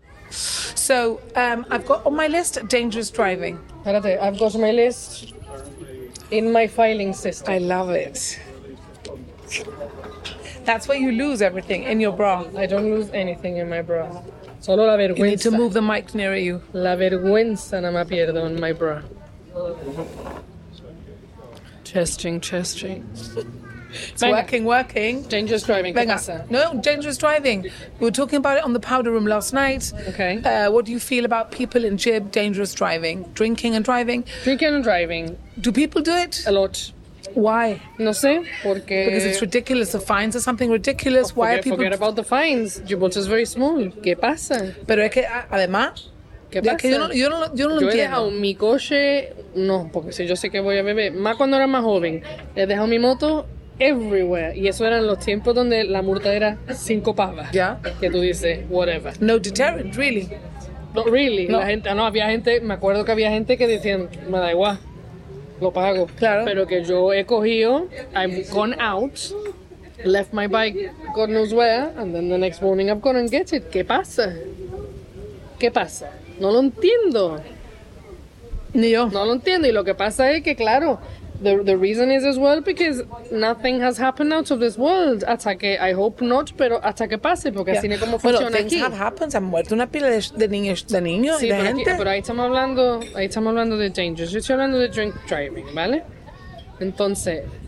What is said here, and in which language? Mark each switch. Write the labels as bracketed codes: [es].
[en] So, I've got on my list dangerous driving. I've got my list in my filing system. I love it. That's where you lose everything, in your bra. I don't lose anything in my bra. [es] Solo la vergüenza. [en] You need to move the mic nearer you. [es] La vergüenza no me pierdo en my bra. [en] Testing. It's working. Dangerous driving. [es] Venga. [en] No, dangerous driving. We were talking about it on the powder room last night. Okay. What do you feel about people in jib, dangerous driving, drinking and driving? Drinking and driving. Do people do it? A lot. Why? [es] No sé. Porque... [en] Because it's ridiculous. The fines are something ridiculous. Forget, why are people... Forget about the fines. Gibraltar is very small. [es] ¿Qué pasa? Pero es que, además... ¿Qué pasa? Es que yo no lo entiendo. Yo he dejado mi coche... No, porque si yo sé que voy a beber. Más cuando era más joven. He dejado mi moto... [en] Everywhere. [es] Y eso eran los tiempos donde la multa era 5 pavas. [en] Yeah. [es] Que tú dices, whatever. [en] No deterrent, really. Not really. [es] No. La gente, no, había gente, me acuerdo que había gente que decían, me da igual, lo pago. Claro. Pero que yo he cogido, [en] I've gone out, left my bike God knows where, and then the next morning I've gone and get it. [es] ¿Qué pasa? ¿Qué pasa? No lo entiendo. Ni yo. No lo entiendo. Y lo que pasa es que, claro... [en] The reason is as well because nothing has happened out of this world. [es] Hasta que, [en] I hope not, [es] pero hasta que pase, porque así no como funciona aquí. [en] Things have happened. [es] Se ha muerto una pila de niños, de niños, sí, de gente. Aquí, pero ahí estamos hablando de dangers. Yo estoy hablando de drink driving, ¿vale? Entonces,